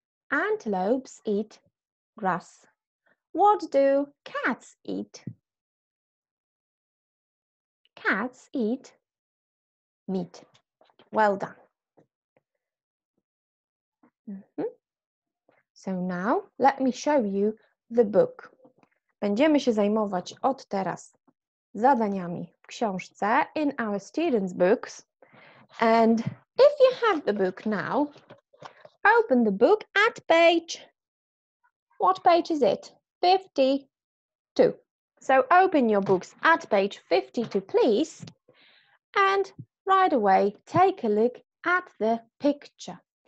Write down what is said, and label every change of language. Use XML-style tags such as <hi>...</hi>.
<en>Antelopes eat grass. What do cats eat? Cats eat meat. Well done. So now let me show you the book.</en> <pl>Będziemy się zajmować od teraz zadaniami w książce,</pl> <en>in our students' books. And if you have the book now, open the book at page, what page is it? 52. So open your books at page 52, please. And right away, take a look at the picture.</en>